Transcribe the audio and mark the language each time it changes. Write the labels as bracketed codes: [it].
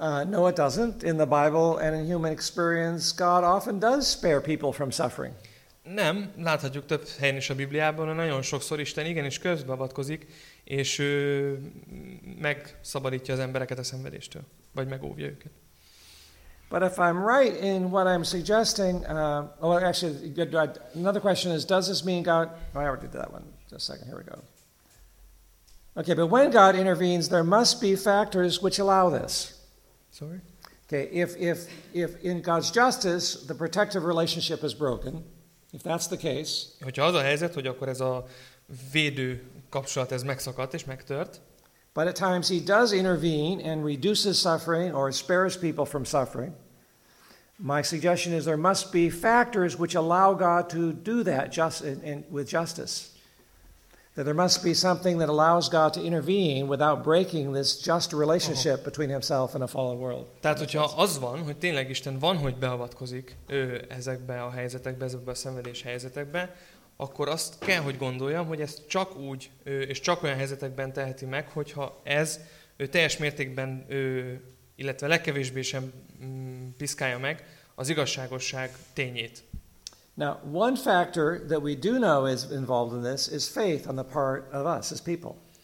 [en] No, it doesn't. In the Bible and in human experience, God often does spare people from suffering. [hu] Nem, láthatjuk több helyen is a Bibliában, hogy nagyon sokszor Isten igenis közbeavatkozik, és megszabadítja az embereket a szenvedéstől, vagy megóvja őket. [en] But if I'm right in what I'm suggesting, another question is, does this mean God... Oh, I already did that one. Just a second, here we go. Okay, but when God intervenes, there must be factors which allow this. Sorry? Okay, if in God's justice, the protective relationship is broken, if that's the case... [hu] Hogyha az a helyzet, hogy akkor ez a védő kapcsolat, ez megszakadt és megtört... [en] But at times he does intervene and reduces suffering or spares people from suffering. My suggestion is there must be factors which allow God to do that just in, with justice. That there must be something that allows God to intervene without breaking this just relationship between himself and a fallen world. [hu] Tehát, hogyha az van, hogy tényleg Isten van, hogy beavatkozik ezekbe a helyzetekbe, ezekbe a szenvedés helyzetekbe, akkor azt kell, hogy gondoljam, hogy ez csak úgy, és csak olyan helyzetekben teheti meg, hogyha ez teljes mértékben, illetve legkevésbé sem piszkálja meg az igazságosság tényét. [en] Now, one factor that we do know is involved in this is faith on the part of us as people.